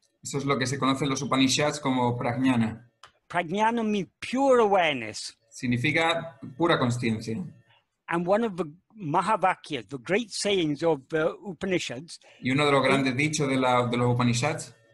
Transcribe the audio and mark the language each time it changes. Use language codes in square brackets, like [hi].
[es] Eso es lo que se conoce en los Upanishads como prajñāna. [en] Prajñānam means pure awareness. [es] Significa pura consciencia. [en] And one of the Mahavakyas, the great sayings of the Upanishads. [es] Y uno de los grandes dichos de los Upanishads